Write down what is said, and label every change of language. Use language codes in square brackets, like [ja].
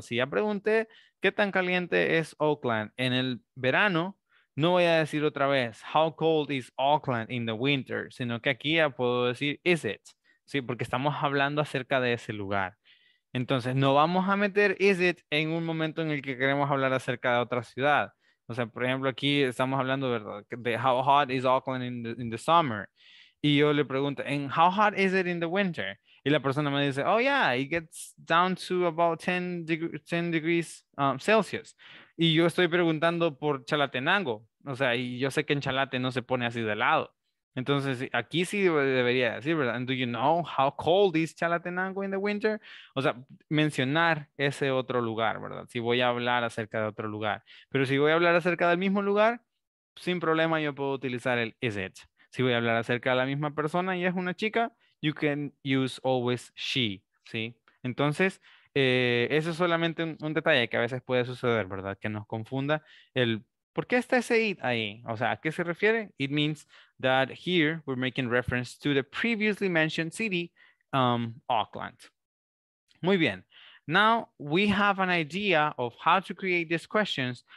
[es] Si ya pregunté qué tan caliente es Auckland en el verano, no voy a decir otra vez, [en] how cold is Auckland in the winter, [es] sino que aquí ya puedo decir, is it? Sí, porque estamos hablando acerca de ese lugar. Entonces, no vamos a meter is it en un momento en el que queremos hablar acerca de otra ciudad. O sea, por ejemplo, aquí estamos hablando, ¿verdad?, de [en] how hot is Auckland in the summer. [es] Y yo le pregunto, [en] and how hot is it in the winter? [es] Y la persona me dice, [en] oh yeah, it gets down to about 10 degrees Celsius. [es] Y yo estoy preguntando por Chalatenango. O sea, y yo sé que en Chalate no se pone así de lado. Entonces, aquí sí debería decir, ¿verdad? [en] And do you know how cold is Chalatenango in the winter? [es] O sea, mencionar ese otro lugar, ¿verdad? Si voy a hablar acerca de otro lugar. Pero si voy a hablar acerca del mismo lugar, sin problema yo puedo utilizar el is it. Si voy a hablar acerca de la misma persona y es una chica, [en] you can use always she, [es] ¿sí? Entonces, eso es solamente un detalle que a veces puede suceder, ¿verdad? Que nos confunda el ¿Por qué está ese it ahí? O sea, ¿a qué se refiere? [en] It means that here we're making reference to the previously mentioned city, Auckland. [es] Muy bien. [en] Now we have an idea of how to create these questions.